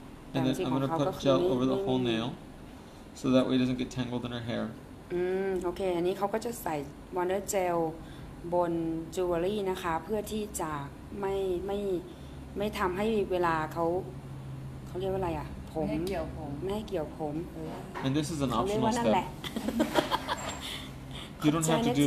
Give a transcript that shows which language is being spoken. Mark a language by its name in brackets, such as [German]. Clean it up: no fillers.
[Thai] แต่ที่ของเขาก็คือ [English] the whole nail so that way it doesn't get tangled in her hair [Thai] โอเคอันนี้เขาก็จะใส่วอนเดอร์เจลบนจิวเวลรี่นะคะเพื่อที่จะไม่ทำให้เวลาเขาเรียกว่าอะไรอ่ะผม ไม่เกี่ยวผม ไม่เกี่ยวผม [English] and this is an optional step you don't have to do